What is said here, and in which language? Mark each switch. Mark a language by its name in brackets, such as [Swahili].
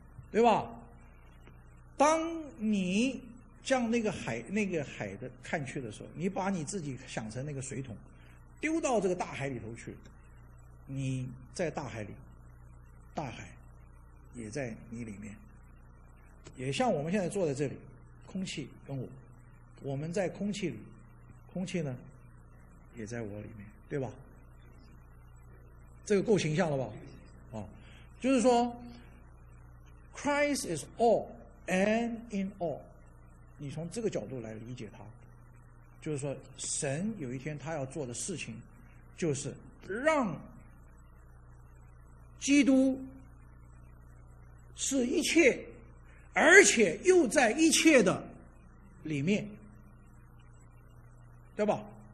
[Chinese] 对吧？当你向那个海的看去的时候，你把你自己想成那个水桶，丢到这个大海里头去，你在大海里，大海也在你里面，也像我们现在坐在这里，空气跟我们在空气里，空气呢也在我里面，对吧？这个够形象了吧？就是说 [English] Christ is all and in all。 [Chinese] 你从这个角度来理解它，就是说神有一天他要做的事情，就是让基督是一切，而且又在一切的里面，对吧？